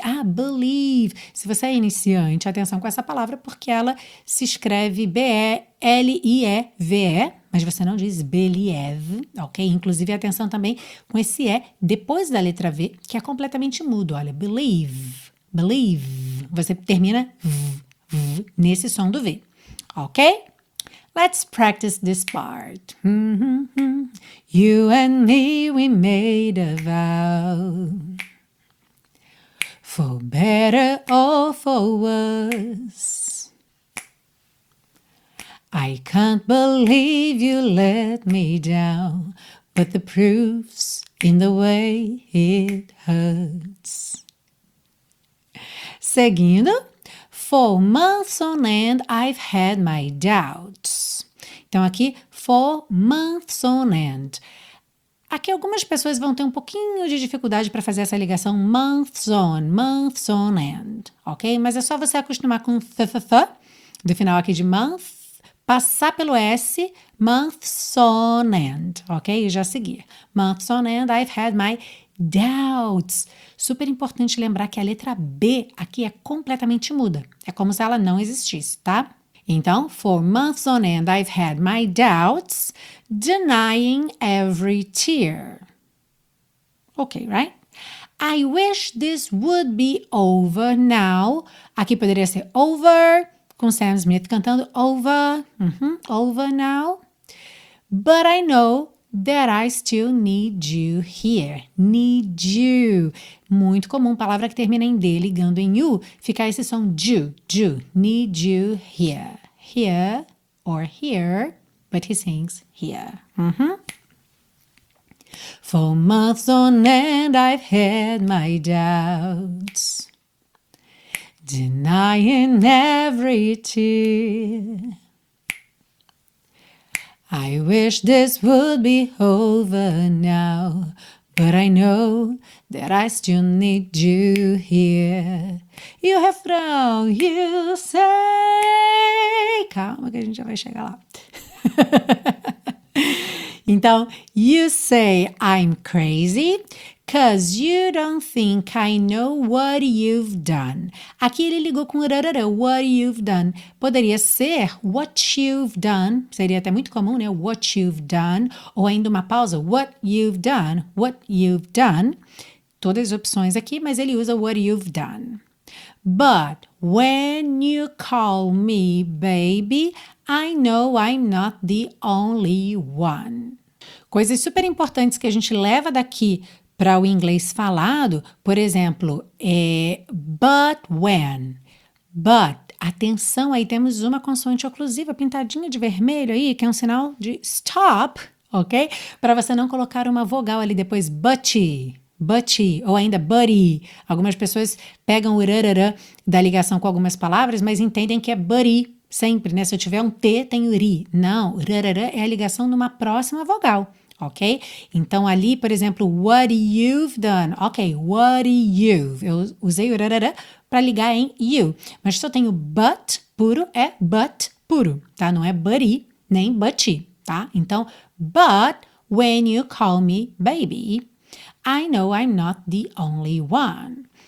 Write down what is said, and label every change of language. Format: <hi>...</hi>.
<pt>Ah, believe. Se você é iniciante, atenção com essa palavra, porque ela se escreve B-E-L-I-E-V-E, mas você não diz believe, ok? Inclusive, atenção também com esse E depois da letra V, que é completamente mudo. Olha, believe, believe. Você termina v, v, nesse som do V, ok?</pt> <en>Let's practice this part. You and me, we made a vow. For better or for worse, I can't believe you let me down, but the proof's in the way it hurts.</en> <pt>Seguindo,</pt> <en>for months on end I've had my doubts.</en> <pt>Então aqui,</pt> <en>for months on end.</en> <pt>Aqui algumas pessoas vão ter um pouquinho de dificuldade para fazer essa ligação</pt> <en>months on end,</en> <pt>ok? Mas é só você acostumar com th, do final aqui de month, passar pelo S,</pt> <en>months on end,</en> <pt>ok? E já seguir.</pt> <en>Months on end, I've had my doubts.</en> <pt>Super importante lembrar que a letra B aqui é completamente muda. É como se ela não existisse, tá? Então,</pt> <en>for months on end, I've had my doubts, denying every tear. Okay, right? I wish this would be over now.</en> <pt>Aqui poderia ser over, com Sam Smith cantando over,</pt> <en>over now. But I know that I still need you here. Need you.</en> <pt>Muito comum, palavra que termina em D, ligando em U, fica esse som ju, ju,</pt> <en>need you here. Here or here, but he sings here. For months on end, I've had my doubts, denying every tear. I wish this would be over now, but I know that I still need you here.</en> <pt>E o refrão,</pt> <en>you say,</en> <pt>calma que a gente já vai chegar lá. Então,</pt> <en>you say I'm crazy, 'cause you don't think I know what you've done.</en> <pt>Aqui ele ligou com rarara,</pt> <en>what you've done.</en> <pt>Poderia ser</pt> <en>what you've done,</en> <pt>seria até muito comum, né?</pt> <en>What you've done,</en> <pt>ou ainda uma pausa,</pt> <en>what you've done, what you've done.</en> <pt>Todas as opções aqui, mas ele usa</pt> <en>what you've done. But when you call me baby, I know I'm not the only one.</en> <pt>Coisas super importantes que a gente leva daqui para o inglês falado, por exemplo,</pt> <en>but when,</en> <pt>but, atenção aí, temos uma consoante oclusiva pintadinha de vermelho aí, que é um sinal de stop, ok? Para você não colocar uma vogal ali depois, butty, ou ainda buddy. Algumas pessoas pegam o rarara da ligação com algumas palavras, mas entendem que é buddy sempre, né? Se eu tiver um T, tem ri. Não, rarara é a ligação numa próxima vogal, ok? Então ali, por exemplo,</pt> <en>what you've done,</en> <pt>ok,</pt> <en>what you've,</en> <pt>eu usei o rarara para ligar em you, mas se eu tenho but puro, é but puro, tá? Não é buddy, nem butty, tá? Então, but</pt> <en>When you call me baby, I know I'm not the only one.</en>